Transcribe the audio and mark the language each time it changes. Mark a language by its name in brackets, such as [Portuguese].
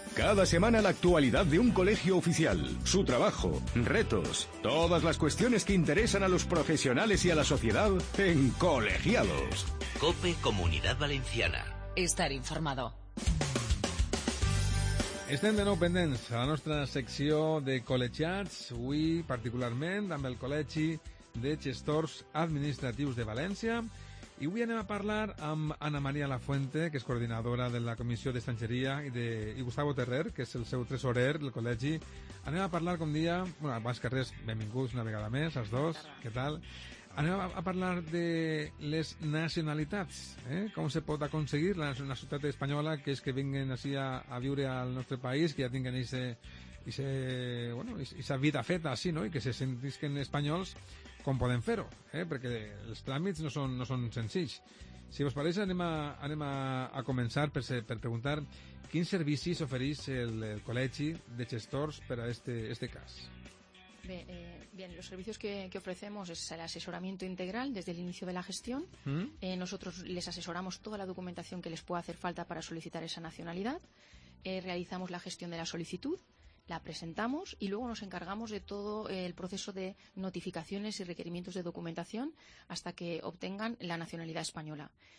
[Spanish] Cada semana la actualidad de un colegio oficial, su trabajo, retos, todas las cuestiones que interesan a los profesionales y a la sociedad en Colegiados. COPE Comunidad Valenciana. Estar informado. [Catalan] Estem de nou pendents a la nostra secció de Colegiats, avui particularment amb el Col·legi de Gestors Administratius de València. I avui anem a parlar amb Ana Maria Lafuente, que és coordinadora de la Comissió d'Estrangeria, i Gustavo Terrer, que és el seu tresorer del col·legi. Anem a parlar, com dia, bueno, abans que res, benvinguts una vegada més, els dos, què tal? Anem a parlar de les nacionalitats, com se pot aconseguir la nacionalitat espanyola, que és que vinguin així a viure al nostre país, que ja tinguin aquesta vida feta així, no? I que se sentisquen espanyols, com podem fer-ho, perquè els tràmits no són senzills. Si us pareix, anem a començar per preguntar quins servicis ofereix el Col·legi de Gestors per a este cas. [Spanish] Bien, los servicios que ofrecemos es el asesoramiento integral desde el inicio de la gestión. Nosotros les asesoramos toda la documentación que les pueda hacer falta para solicitar esa nacionalidad. Realizamos la gestión de la solicitud, la presentamos y luego nos encargamos de todo el proceso de notificaciones y requerimientos de documentación hasta que obtengan la nacionalidad española.